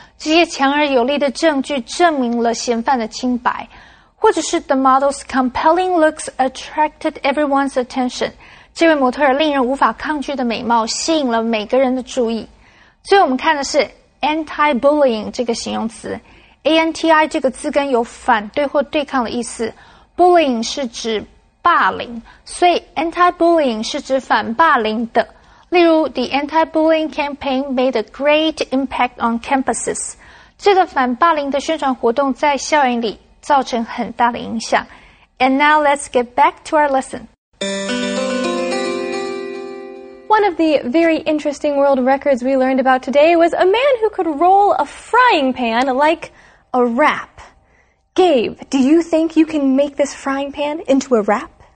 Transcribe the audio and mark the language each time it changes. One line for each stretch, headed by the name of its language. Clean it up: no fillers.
Chinese: 这些强而有力的证据证明了嫌犯的清白。或者是
English: the model's compelling looks attracted everyone's attention.
Chinese: 这位模特儿令人无法抗拒的美貌吸引了每个人的注意。所以我们看的是 anti-bullying 这个形容词。 anti 这个字根有反对或对抗的意思。 bullying 是指霸凌。所以 anti-bullying 是指反霸凌的。例如
English: the anti-bullying campaign made a great impact on campuses.
Chinese: 这个反霸凌的宣传活动在校园里造成很大的影响。
English: And now let's get back to our lesson. One of the very interesting world records we learned about today was a man who could roll a frying pan like a wrap. Gabe, do you think you can make this frying pan into a wrap?